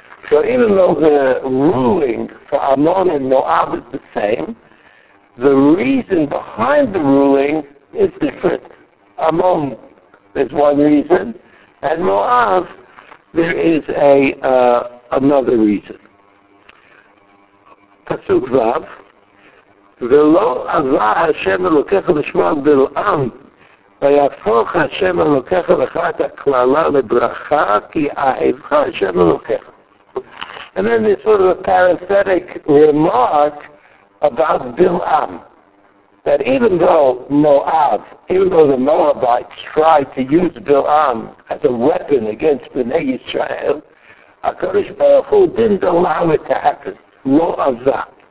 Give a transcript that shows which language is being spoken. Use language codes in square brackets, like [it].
[en] So even though the ruling for Amon and Moab is the same, the reason behind the ruling is different. Amon is one reason, and Moab, there is another reason. Pasuk Vav. [he] ולא עבה השם אלוקיך לשמוע בלעם, ויהפוך השם אלוקיך לכרת הכללה לברכה, כי אהבך השם אלוקיך. [en] And then this sort of a parenthetic remark about בלעם, that even though Moab, even though the Moabites tried to use בלעם as a weapon against Bnei Yisrael, HaKadosh Baruch Hu didn't allow it to happen. [he] לא עבה.